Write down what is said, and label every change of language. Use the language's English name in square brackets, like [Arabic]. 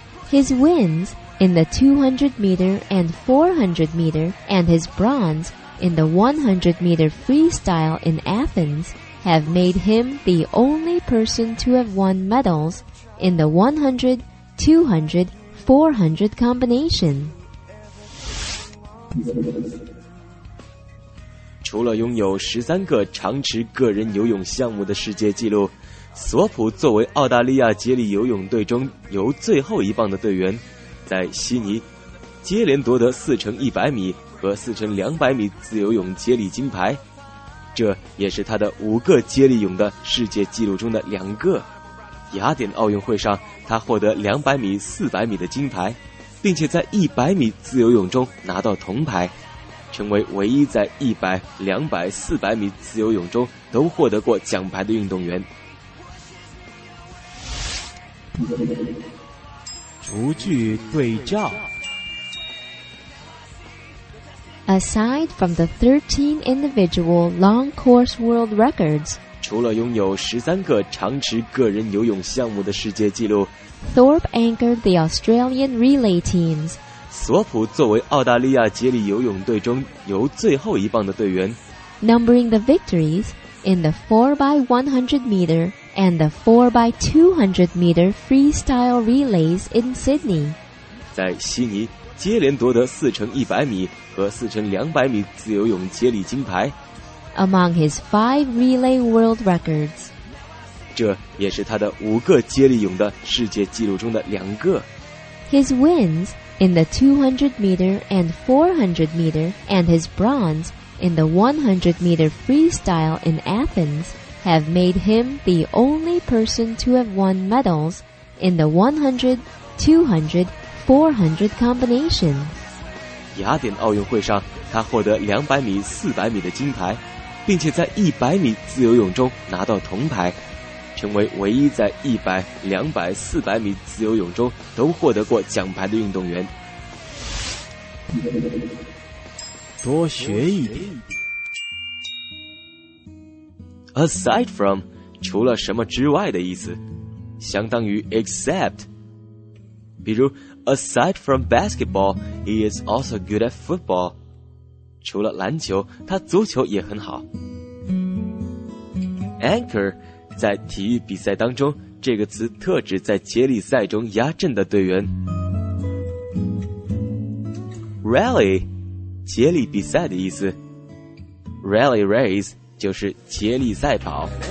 [English] His wins in the 200m and 400m and his bronze in the 100m freestyle in Athens have made him the only person to have won medals in the 100, 200, 400 combination. [Chinese] 除了拥有13个长池个人游泳项目的世界纪录，索普作为澳大利亚接力游泳队中游最后一棒的队员，在悉尼接连夺得4x100米和4x200米自由泳接力金牌，这也是他的5个接力泳的世界纪录中的2个。雅典奥运会上，他获得200米、400米的金牌，并且在100米自由泳中拿到铜牌，成为唯一在100、200、400米自由泳中都获得过奖牌的运动员。逐句对照。 [English] Aside from the 13 individual long course world records， [Chinese] 除了拥有13个长池个人游泳项目的世界纪录， [English] Thorpe anchored the Australian relay teams. [Chinese] 索普作为澳大利亚接力游泳队中游最后一棒的队员， [English] numbering the victories in the 4x100m and the 4x200m freestyle relays in Sydney. [Chinese] 在悉尼接连夺得4x100米和4x200米自由泳接力金牌， [English] Among his 5 relay world records. [Chinese] 这也是他的5个接力泳的世界纪录中的2个。 [English] His wins in the 200m and 400m and his bronze in the 100m freestyle in Athens have made him the only person to have won medals in the 100, 200, 400 combination. [Chinese] 雅典奥运会上，他获得200米、400米的金牌，并且在100米自由泳中拿到铜牌，成为唯一在100、200、400米自由泳中都获得过奖牌的运动员。多学一点。 [English] Aside from， [Chinese] 除了什么之外的意思，相当于 except。比如 [English] Aside from basketball， he is also good at football。 [Chinese] 除了篮球，他足球也很好。 Anchor， 在体育比赛当中，这个词特指在接力赛中压阵的队员。 Rally， 接力比赛的意思。 [English] Rally race [Chinese] 就是接力赛跑。